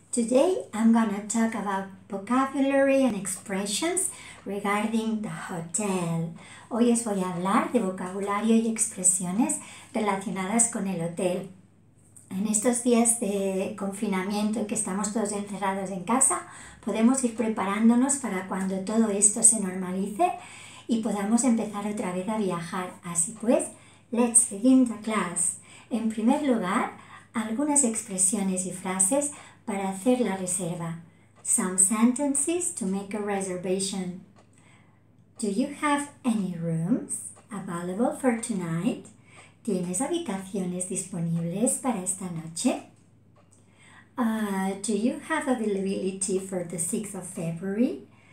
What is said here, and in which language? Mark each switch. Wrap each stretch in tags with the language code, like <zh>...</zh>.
<en>Today I'm gonna talk about vocabulary and expressions regarding the hotel.</en> <es>Hoy os voy a hablar de vocabulario y expresiones relacionadas con el hotel. En estos días de confinamiento en que estamos todos encerrados en casa, podemos ir preparándonos para cuando todo esto se normalice y podamos empezar otra vez a viajar. Así pues,</es> <en>let's begin the class.</en> <es>En primer lugar, algunas expresiones y frases para hacer la reserva.</es> <en>Some sentences to make a reservation. Do you have any rooms available for tonight?</en> <es>¿Tienes habitaciones disponibles para esta noche?</es> <en>Do you have availability for the 6th of February?</en>